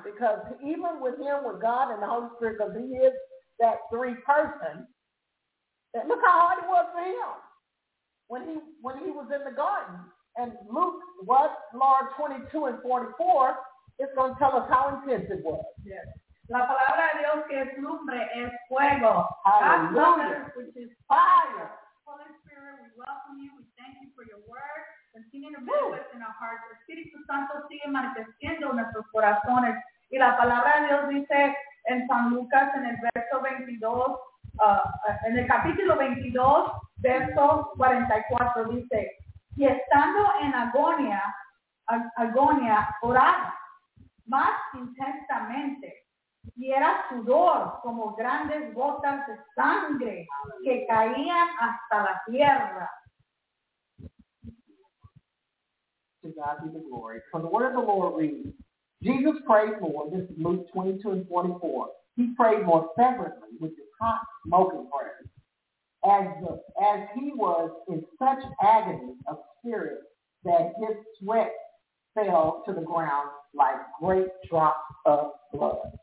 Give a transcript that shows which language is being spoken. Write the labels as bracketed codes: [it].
[en] Because even with him, with God and the Holy Spirit, because he is that three person, look how hard it was for him. When he was in the garden, and Luke, what, Mark 22 and 44, it's going to tell us how intense it was. Yes. [es] La palabra de Dios que es lumbre es fuego. [en] Hallelujah. Which is fire. Holy Spirit, we welcome you. We thank you for your word. Continue to move us in our hearts. [es] Espíritu Santo sigue manifestando nuestros corazones. Y la palabra de Dios dice en San Lucas en el verso 22, en el capítulo 22, verso 44, dice, y estando en agonía, oraba más intensamente. Y era sudor como grandes gotas de sangre que caían hasta la tierra. [en] To God be the glory. From the word of the Lord reads, Jesus prayed more, this is Luke 22 and 44, he prayed more fervently with his hot smoking prayer. As he was in such agony of spirit that his sweat fell to the ground like great drops of blood.